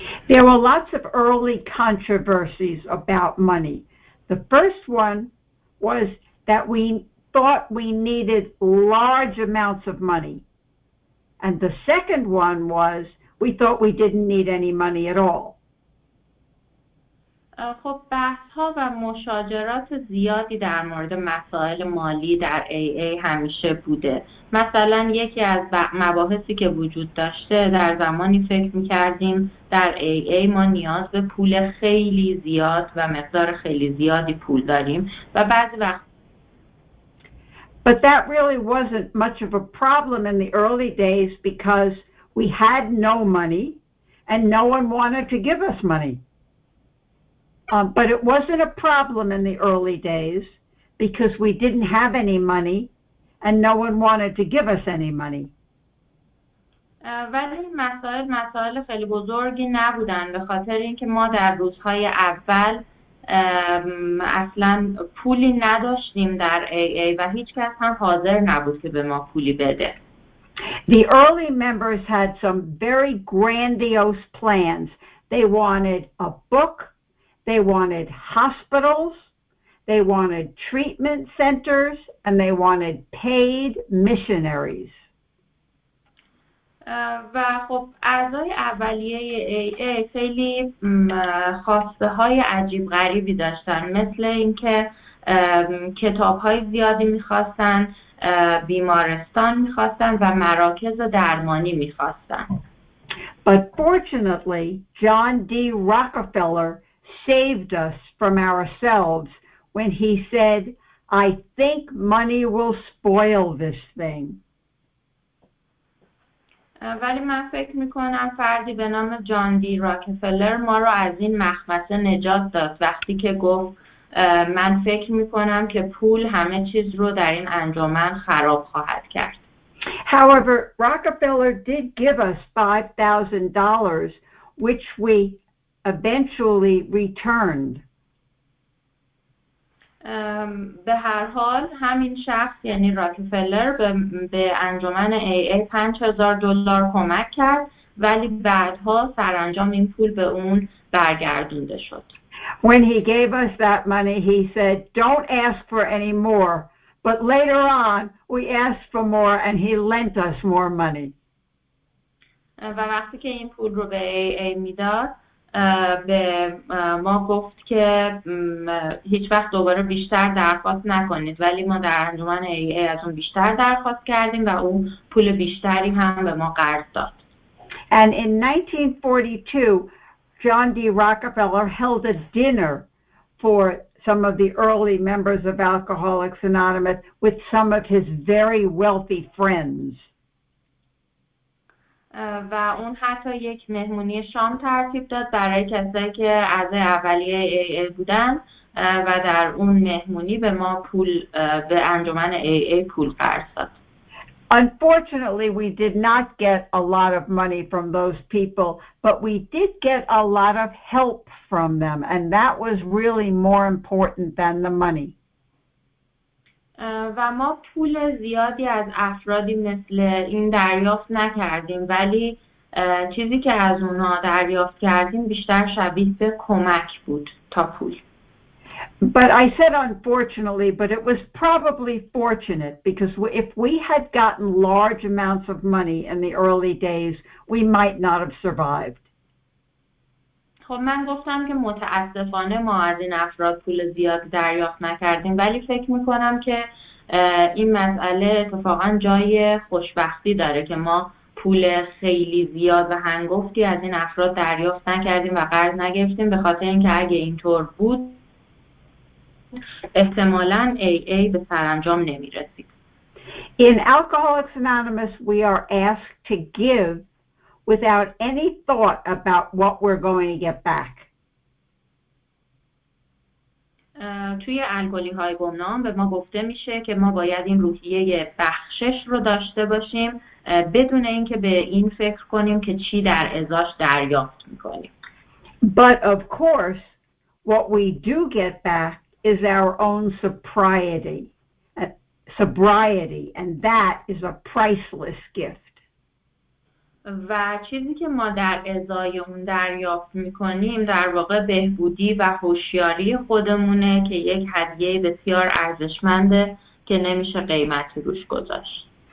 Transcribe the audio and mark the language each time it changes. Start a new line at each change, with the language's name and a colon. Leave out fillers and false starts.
English: There were lots of early controversies about money. The first one was that we thought we needed large amounts of money. And the second one was we thought we didn't need any money at all.
Persian: خب بحث‌ها و مشاجرات زیادی در مورد مسائل مالی در AA همیشه بوده. مثلا یکی از مباحثی که وجود داشته در زمانی فکر می‌کردیم در AA ما نیاز به پول خیلی زیاد و مقدار خیلی زیادی پول داریم و بعضی وقت
English: But that really wasn't much of a problem in the early days because we had no money and no one wanted to give us money. But it wasn't a problem in the early days because we didn't have any money and no one wanted to give us any money.
Persian: ولی مسائل خیلی بزرگی نبودن به خاطر اینکه ما در روزهای اول اصلا پولی نداشتیم در AA و هیچ کس هم حاضر نبود که به ما پولی بده.
English: The early members had some very grandiose plans. They wanted a book. They wanted hospitals, they wanted treatment centers, and they wanted paid missionaries.
Persian: و خب اعضای اولیه AA خیلی خواسته های عجیب غریبی داشتن، مثل اینکه کتاب‌های زیادی می‌خواستن، بیمارستان می‌خواستن و مراکز درمانی می‌خواستن.
English: But fortunately, John D. Rockefeller saved us from ourselves when he said, "I think money will spoil this thing."
Persian: ولی من فکر میکنم فردی به نام جان دی راکفلر ما رو از این مخمصه نجات داد وقتی که گفت من فکر میکنم که پول همه چیز رو در این انجمن خراب خواهد کرد.
English: However, Rockefeller did give us $5,000, which we eventually returned.
Persian: به هر حال همین شخص یعنی راکفلر به انجمن AA $5,000 کمک کرد ولی بعدها سرانجام این پول به اون برگردونده شد.
English: When he gave us that money, he said, "Don't ask for any more." But later on, we asked for more and he lent us more money.
Persian: و وقتی که این پول رو به AA میداد به ما گفت که هیچ وقت دوباره بیشتر درخواست نکنید ولی ما در انجمن AA از اون بیشتر درخواست کردیم و اون پول بیشتری هم به ما قرض داد.
English: And in 1942, John D. Rockefeller held a dinner for some of the early members of Alcoholics Anonymous with some of his very wealthy friends.
Persian: و اون حتی یک مهمونی شام ترتیب داد برای کسایی که اعضای اولیه AA بودن و در اون مهمونی به ما پول به انجمن AA پول قرض داد.
English: Unfortunately, we did not get a lot of money from those people, but we did get a lot of help from them, and that was really more important than the money.
Persian: و ما پول زیادی از افرادی مثل این دریافت نکردیم ولی چیزی که از اونها دریافت کردیم بیشتر شبیه به کمک بود تا پول.
English: But I said unfortunately, but it was probably fortunate because if we had gotten large amounts of money in the early days, we might not have survived.
Persian: خب من گفتم که متاسفانه ما از این افراد پول زیاد دریافت نکردیم ولی فکر میکنم که این مسئله اتفاقا جای خوشبختی داره که ما پول خیلی زیاد و هنگفتی از این افراد دریافت نکردیم و قرض نگرفتیم به خاطر اینکه اگه اینطور بود احتمالاً AA به سرانجام نمی رسید.
English: In Alcoholics Anonymous, we are asked to give without any thought about what we're going to get back.
Persian: توی الکلی‌های گمنام به ما گفته میشه که ما باید این روحیه بخشش رو داشته باشیم بدون اینکه به این فکر کنیم که چی در ازاش دریافت می‌کنیم.
English: But of course, what we do get back is our own sobriety, and that is a priceless gift.
Persian: و چیزی که ما در ازای اون دریافت می‌کنیم در واقع بهبودی و هوشیاری خودمونه که یک هدیه بسیار ارزشمنده که نمیشه قیمتی روش گذاشت.